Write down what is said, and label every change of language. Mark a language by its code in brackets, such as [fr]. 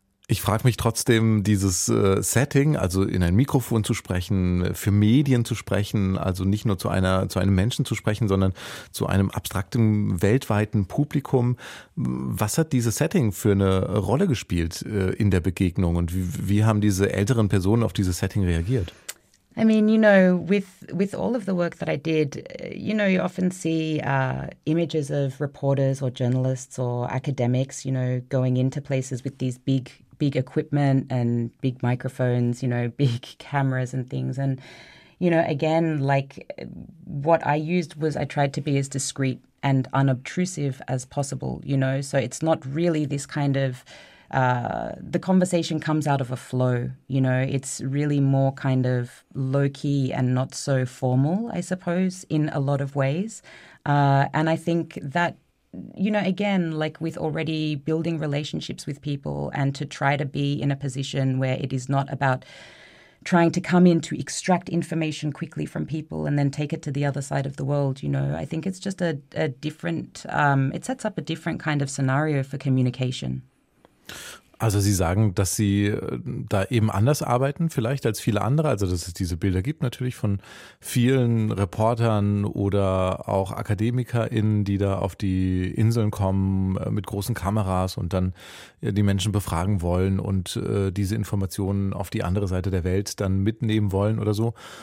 [de] Ich frage mich trotzdem, dieses Setting, also in ein Mikrofon zu sprechen, für Medien zu sprechen, also nicht nur zu einem Menschen zu sprechen, sondern zu einem abstrakten weltweiten Publikum. Was hat dieses Setting für eine Rolle gespielt in der Begegnung, und wie haben diese älteren Personen auf dieses Setting reagiert? [en] I mean, you know, with all of the work that I did, you know, you often see images of reporters or journalists or academics, you know, going into places with these big equipment and big microphones, you know, big cameras and things. And, you know, again, like what I used was, I tried to be as discreet and unobtrusive as possible, you know, so it's not really this kind of, the conversation comes out of a flow, you know, it's really more kind of low-key and not so formal, I suppose, in a lot of ways. And I think that, you know, again, like with already building relationships with people, and to try to be in a position where it is not about trying to come in to extract information quickly from people and then take it to the other side of the world, you know, I think it's just a different, it sets up a different kind of scenario for communication. [de] Also Sie sagen, dass Sie da eben anders arbeiten vielleicht als viele andere, also dass es diese Bilder gibt natürlich von vielen Reportern oder auch AkademikerInnen, die da auf die Inseln kommen mit großen Kameras und dann die Menschen befragen wollen und diese Informationen auf die andere Seite der Welt dann mitnehmen wollen oder so.